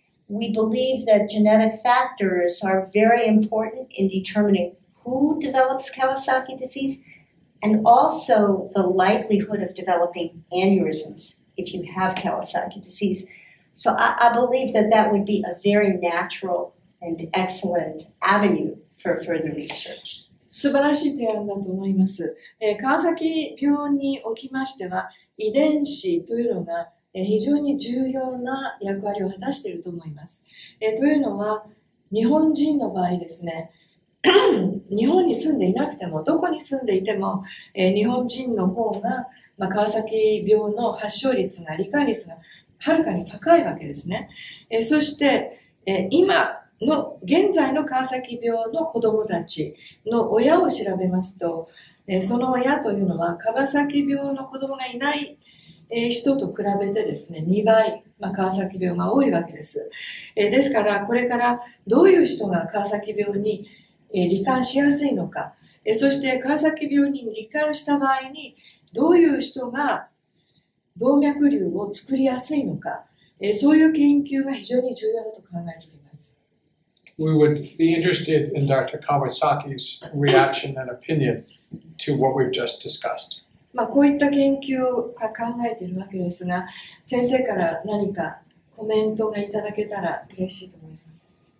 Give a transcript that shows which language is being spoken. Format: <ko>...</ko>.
<en>We believe that genetic factors are very important in determining who develops Kawasaki disease and also the likelihood of developing aneurysms if you have Kawasaki disease. So I believe that that would be a very natural and excellent avenue for further research.</en> <ja>素晴らしい提案だと思います。川崎病におきましては、遺伝子というのが非常に重要な役割を果たしていると思います。というのは、日本人の場合ですね、日本に住んでいなくても、どこに住んでいても、日本人の方が、まあ、川崎病の発症率が、罹患率がはるかに高いわけですね。そして、今の、現在の川崎病の子供たちの親を調べますと、その親というのは、川崎病の子供がいない人と比べてですね、2倍、まあ、川崎病が多いわけです。ですから、これからどういう人が川崎病に罹患しやすいのか、そして川崎病に罹患した場合に、どういう人が動脈瘤を作りやすいのか、そういう研究が非常に重要だと考えております。</ja> <en>We would be interested in Dr. Kawasaki's reaction and opinion to what we've just discussed.</en> <ja>まあ、こういった研究を考えているわけですが、先生から何かコメントがいただけたら嬉しいと思います。</ja>